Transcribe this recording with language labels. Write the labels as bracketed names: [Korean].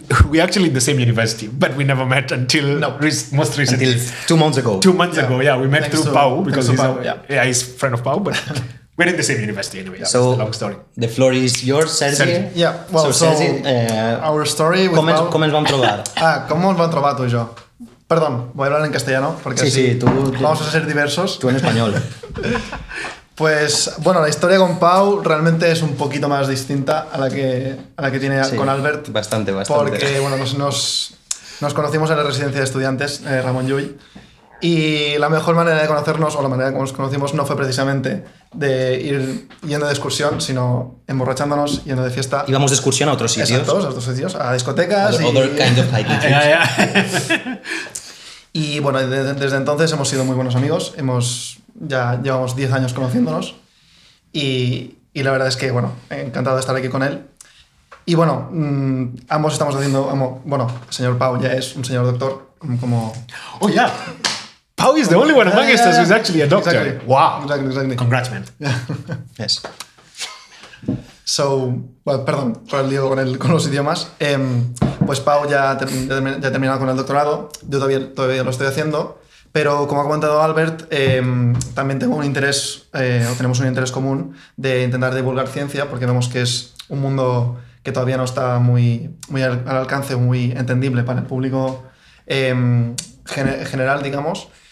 [English] We actually in the same university, but we never met until most recently. Until 2 months ago. 2 months ago, yeah. We met through Pau, because he's a friend of Pau, but we're in the same university anyway. Yeah, so that's the long story. The floor is yours, Sergi. Yeah, well, so Sergi, our story with comments, Pau. [Catalan] ¿Cómo os van trobar? [Spanish] Ah, ¿cómo [Catalan] os van trobar [Spanish] tú y yo? Perdón, voy a hablar en castellano, porque sí, así sí, tú, vamos a ser diversos. Tú en español. Pues bueno, la historia con Pau realmente es un poquito más distinta a la que tiene sí, con Albert. Bastante, bastante. Porque bueno, nos conocimos en la residencia de estudiantes, Ramón Llull. Y la mejor manera de conocernos, o la manera como nos conocimos, no fue precisamente de ir yendo de excursión, sino emborrachándonos, yendo de fiesta. Íbamos de excursión a otros sitios. Exacto, a otros sitios, a discotecas. [English] Other kind of hiking trips. [Spanish] Y bueno, desde entonces hemos sido muy buenos amigos, ya llevamos 10 años conociéndonos y la verdad es que, bueno, encantado de estar aquí con él. Y bueno, ambos estamos haciendo, bueno, señor Pau ya es un señor doctor, como... [English] ¡Oh, ya! Yeah. Pau is the only one among us who is actually a doctor. Exactly. ¡Wow! Exactly. Congrats, man. Yes. So, well, [Spanish] perdón por el lío con los idiomas. Pues Pau ya ha terminado con el doctorado, yo todavía lo estoy haciendo. Pero como ha comentado Albert, también tengo un interés, o tenemos un interés común de intentar divulgar ciencia, porque vemos que es un mundo que todavía no está muy, muy al alcance, muy entendible para el público general, digamos.